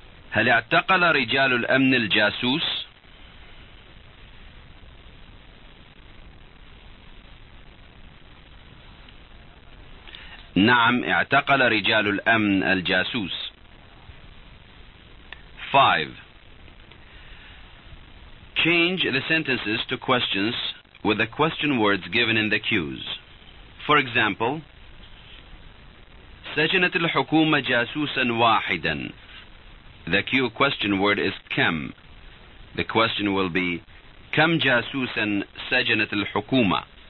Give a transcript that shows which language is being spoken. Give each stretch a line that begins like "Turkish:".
Arabic: هل اعتقل رجال الأمن الجاسوس؟ نعم اعتقل رجال الأمن الجاسوس.
English: 5. Change the sentences to questions with the question words given in the cues. For example,
Arabic: سجنت الحكومة جاسوسا واحدا.
English: The cue question word is كم. The question will be
Arabic: كم جاسوسا سجنت الحكومة.